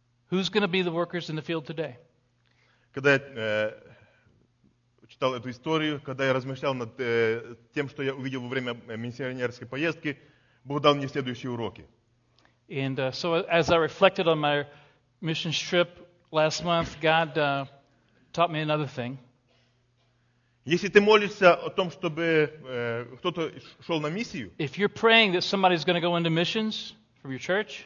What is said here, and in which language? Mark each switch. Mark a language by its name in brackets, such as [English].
[English] Who's going to be the workers in the field today? [Russian] Когда я читал эту историю, когда я размышлял над тем, что я увидел во время миссионерской поездки, Бог дал мне следующие уроки. [English] And so as I reflected on my mission trip last month, God taught me another thing. [Russian] Если ты молишься о том, чтобы кто-то шел на миссию, [English] if you're praying that somebody's going to go into missions from your church,